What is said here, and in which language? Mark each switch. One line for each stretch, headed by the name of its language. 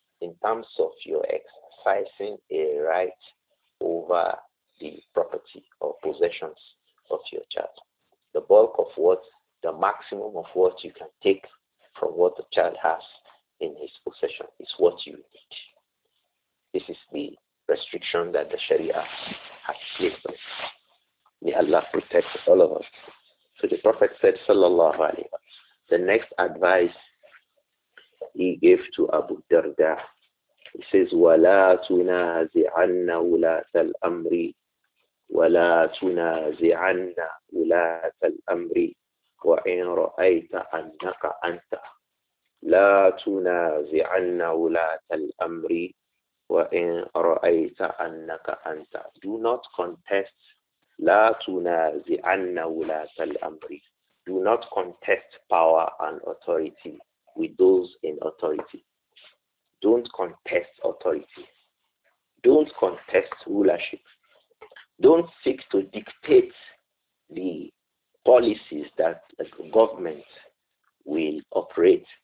English: In terms of your exercising a right over the property or possessions of your child, the bulk of what, the maximum of what you can take from what the child has in his possession is what you need. This is the restriction that the Sharia has placed on. May Allah protect all of us. So the Prophet said,
Arabic: sallallahu alayhi wa sallam,
English: the next advice he gave to Abu Darda, he says,
Arabic: وَلَا تُنَازِعَنَّ وُلَاةَ الْأَمْرِ وَلَا تُنَازِعَنَّ وُلَاةَ الْأَمْرِ وَإِنْ رَأَيْتَ أَنَّكَ أَنْتَ لَا تُنَازِعَنَّ وُلَاةَ الْأَمْرِ وَإِنْ رَأَيْتَ أَنَّكَ أَنْتَ.
English: Do not contest.
Arabic: لَا تُنَازِعَنَّ وُلَاةَ الْأَمْرِ.
English: Do not contest power and authority with those in authority. Don't contest authority. Don't contest rulership. Don't seek to dictate the policies that the government will operate.